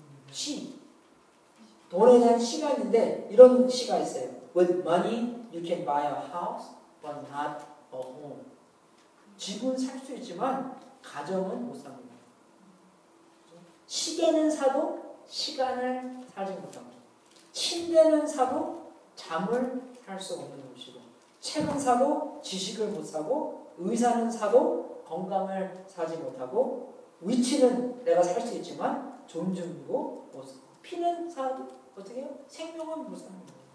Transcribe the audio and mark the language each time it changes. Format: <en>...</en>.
<ko>시. 돈에 대한 시가 있는데 이런 시가 있어요.</ko> <en>With money you can buy a house but not a home.</en> <ko>집은 살 수 있지만 가정은 못 삽니다. 시계는 사도 시간을 사지 못합니다. 침대는 사도 잠을 살 수 없는 것이고 책은 사도 지식을 못 사고 의사는 사도 건강을 사지 못하고 위치는 내가 살 수 있지만 존중이고 피는 사도 어떻게 해요? 생명은 못 삽니다.</ko>